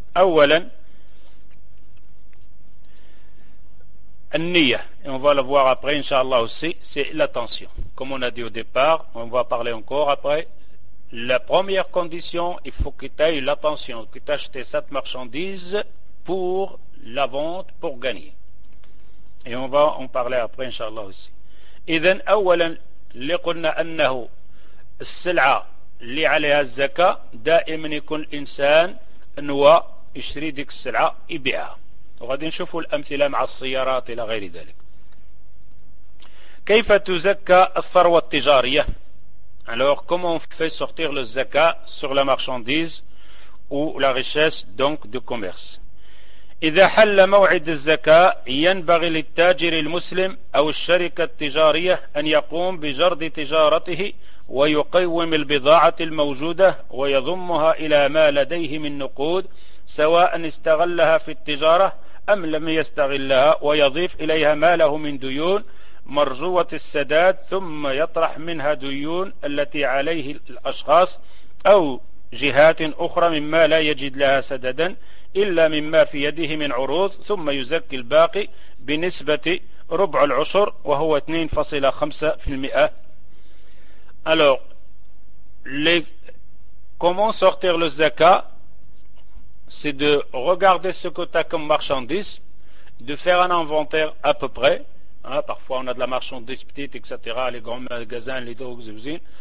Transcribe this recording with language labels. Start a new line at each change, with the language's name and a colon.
Arabic: أولا النية,
French: et on va le voir après inshallah aussi, c'est l'attention. Comme on a dit au départ, on va parler encore après. La première condition, il faut que tu aies l'attention, que tu achètes cette marchandise pour la vente, pour gagner. Et on va en parler après inshallah aussi.
Arabic: إذن أولا اللي قلنا أنه السلعة اللي عليها الزكاة دائما يكون الإنسان أنه يشتري ديك السلعة يبيعها, وغادي نشوفوا الأمثلة مع السيارات إلى غير ذلك. كيف تزكى الثروة التجارية؟
French: alors comment on fait sortir le zaka sur la marchandise ou la richesse donc de commerce.
Arabic: إذا حل موعد الزكاة ينبغي للتاجر المسلم أو الشركة التجارية أن يقوم بجرد تجارته ويقوم البضاعة الموجودة ويضمها إلى ما لديه من نقود سواء استغلها في التجارة أم لم يستغلها ويضيف إليها ما له من ديون مرجوة السداد ثم يطرح منها ديون التي عليه الأشخاص أو جهات أخرى مما لا يجد لها سددا إلا مما في يده من عروض ثم يزكي الباقي بنسبة ربع العشر وهو 2.5%.
French: Alors, comment sortir le zakat, c'est de regarder ce que tu as comme marchandise, de faire un inventaire à peu près. Hein, parfois, on a de la marchandise petite, etc., les grands magasins, les drogues, les usines.